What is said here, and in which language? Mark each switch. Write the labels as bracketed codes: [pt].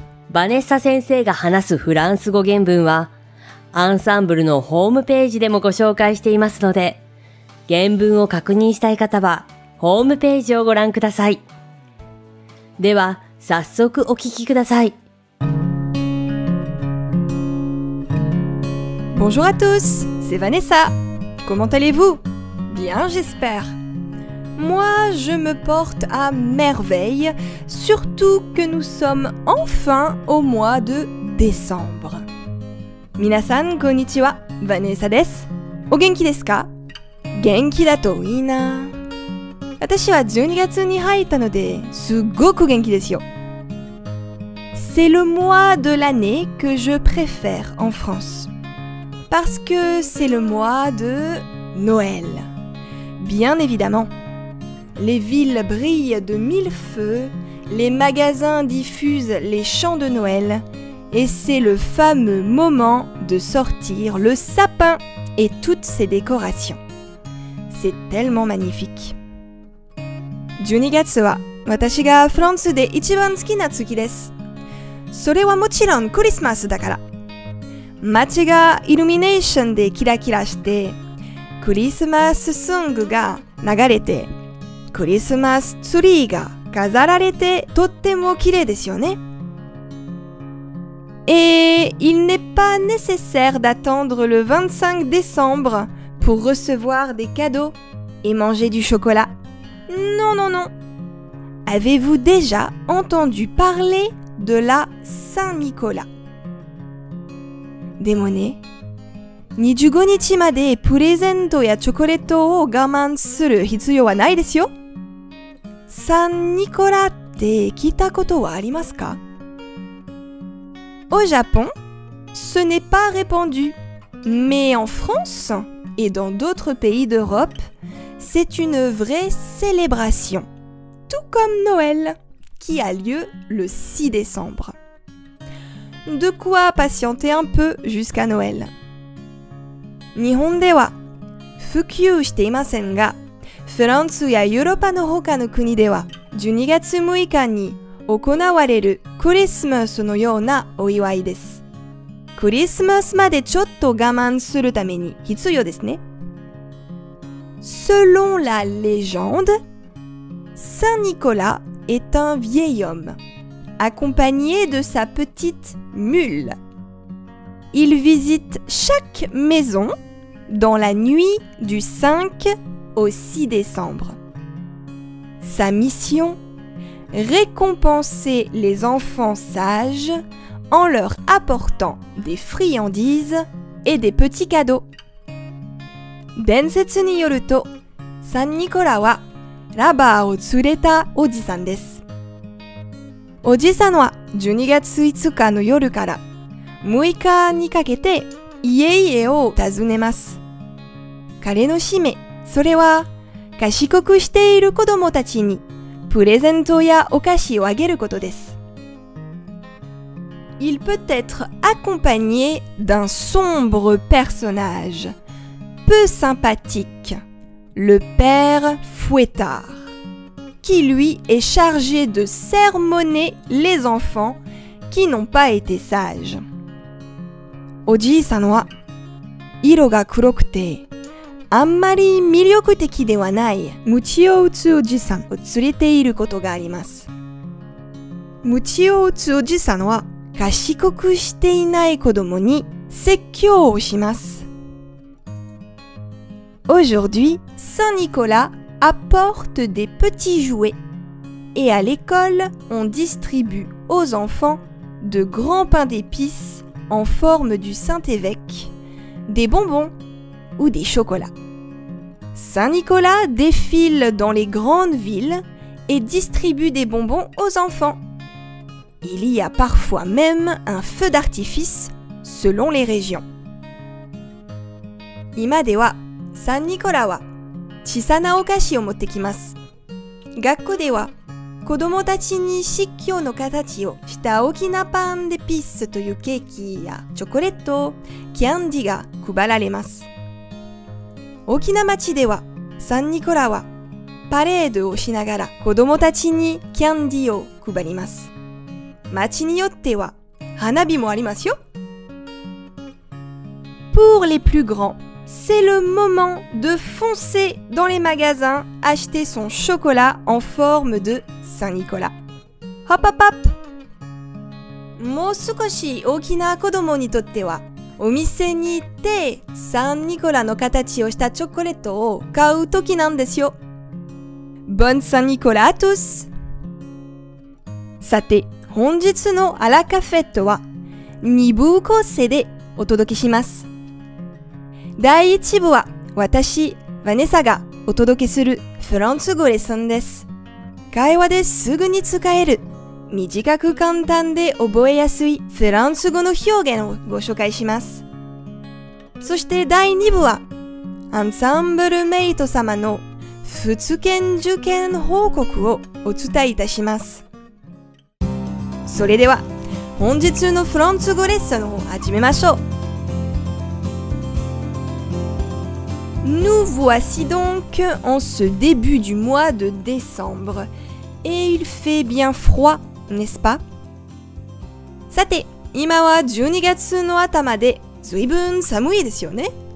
[ja] バネッサ先生が話すフランス語原文はアンサンブルのホームページでもご紹介していますので、原文を確認したい方はホームページをご覧ください。では早速お聞きください。 [fr] Bonjour à tous, c'est Vanessa. Comment allez-vous? Bien, j'espère. Moi, je me porte à merveille, surtout que nous sommes enfin au mois de décembre. [ja] 皆さん、こんにちは。Vanessa です。お元気ですか？元気だといいな。私は12月に入ったのですごく元気ですよ。 [fr] C'est le mois de l'année que je préfère en France. Parce que c'est le mois de Noël. Bien évidemment. Les villes brillent de mille feux, les magasins diffusent les chants de Noël, et c'est le fameux moment de sortir le sapin et toutes ses décorations. C'est tellement magnifique. [ja] 12月は私がフランスで一番好きな月です。それはもちろんクリスマスだから。街がイルミネーションでキラキラして、クリスマスソングが流れて、クリスマスツリーが飾られて、とっても綺麗ですよね。 [fr] Et il n'est pas nécessaire d'attendre le 25 décembre pour recevoir des cadeaux et manger du chocolat. Non, non, non. Avez-vous déjà entendu parler de la Saint-Nicolas? [ja] でもね、25日までプレゼントやチョコレートを我慢する必要はないですよ。サン・ニコラって聞いたことはありますか？ [fr] Au Japon, ce n'est pas répandu. Mais en France et dans d'autres pays d'Europe,C'est une vraie célébration, tout comme Noël, qui a lieu le 6 décembre. De quoi patienter un peu jusqu'à Noël. [ja] 日本では普及していませんが、フランスやヨーロッパの他の国では12月6日に行われるクリスマスのようなお祝いです。クリスマスまでちょっと我慢するために必要ですね。 [fr] Selon la légende, Saint Nicolas est un vieil homme, accompagné de sa petite mule. Il visite chaque maison dans la nuit du 5 au 6 décembre. Sa mission, récompenser les enfants sages en leur apportant des friandises et des petits cadeaux. [ja] 伝説によると、サン・ニコラはラバーを連れたおじさんです。おじさんは12月5日の夜から6日にかけて家々を訪ねます。彼の使命、それは賢くしている子供たちにプレゼントやお菓子をあげることです。 [fr] Il peut être accompagné d'un sombre personnage. Peu sympathique, le père Fouettard, qui lui est chargé de sermonner les enfants qui n'ont pas été sages. [ja] おじいさんは、色が黒くて、あんまり魅力的ではない、ムチを打つおじさんを連れていることがあります。ムチを打つおじさんは、賢くしていない子供に説教をします。 [fr] Aujourd'hui, Saint-Nicolas apporte des petits jouets. et à l'école, on distribue aux enfants de grands pains d'épices en forme du Saint-Évêque, des bonbons ou des chocolats. Saint-Nicolas défile dans les grandes villes et distribue des bonbons aux enfants. Il y a parfois même un feu d'artifice selon les régions. [ja] 今ではサンニコラは小さなお菓子を持ってきます。学校では子供たちに四季葉の形をした大きなパンデピースというケーキやチョコレート、キャンディが配られます。沖縄町ではサンニコラはパレードをしながら子供たちにキャンディを配ります。町によっては花火もありますよ。 [fr] Pour les plus grands,C'est le moment de foncer dans les magasins acheter son chocolat en forme de Saint-Nicolas. Hop hop hop! [ja] もう少し大きな子供にとっては、お店に行って Saint-Nicolas の形をしたチョコレートを買うときなんですよ。 [fr] Bonne Saint-Nicolas à tous! [ja] さて、本日のアラカフェットは、2部構成でお届けします。第1部は私、ヴァネサがお届けするフランス語レッスンです。会話ですぐに使える、短く簡単で覚えやすいフランス語の表現をご紹介します。そして第2部は、アンサンブルメイト様の普通研受験報告をお伝えいたします。それでは、本日のフランス語レッスンを始めましょう。 [fr] Nous voici donc en ce début du mois de décembre. Et il fait bien froid, n'est-ce pas? [ja] さて、今は12月の頭で、随分寒いですよね?